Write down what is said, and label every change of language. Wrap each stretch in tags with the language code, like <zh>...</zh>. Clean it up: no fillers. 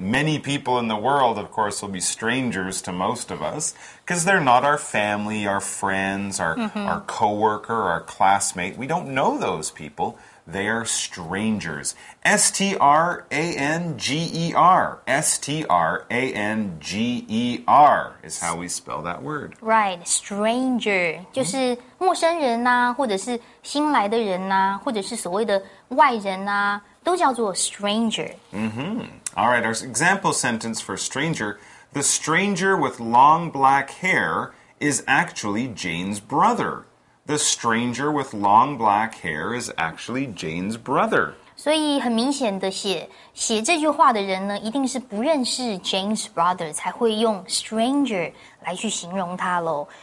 <en>Many people in the world, of course, will be strangers to most of us because they're not our family, our friends, our coworker, our classmate. We don't know those people. They are strangers. S-T-R-A-N-G-E-R. S-T-R-A-N-G-E-R is how we spell that word. Right. Stranger.</en> <zh>就是陌生人啊，或者是新来的人啊，或者是所谓的外人啊。都叫做 stranger.</zh> <en>Mm-hmm. All right, our example sentence for stranger. The stranger with long black hair is actually Jane's brother. The stranger with long black hair is actually Jane's brother.</en> <zh>所以很明显的写这句话的人呢，一定是不认识 Jane's brother 才会用 stranger 来去形容他咯。</zh>